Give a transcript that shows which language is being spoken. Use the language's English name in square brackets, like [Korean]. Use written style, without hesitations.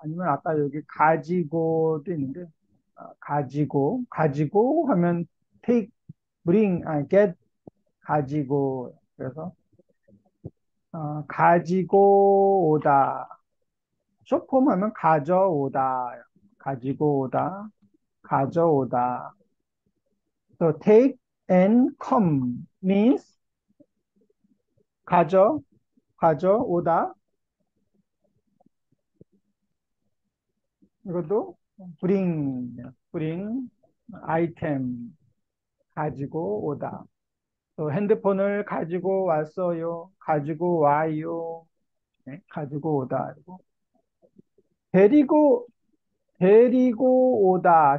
[Korean] 아니면 아까 여기 가지고도 있는데, 가지고. 가지고 하면 [English] take, bring, get, [Korean] 가지고. 그래서, 가지고 오다. [English] short form [Korean] 하면 가져오다. 가지고 오다. 가져오다. [English] So take and come means 가져오다. [Korean] 이것도 bring 아이템 가지고 오다. 또 핸드폰을 가지고 왔어요. 가지고 와요. 네, 가지고 오다. 그리고 데리고 오다.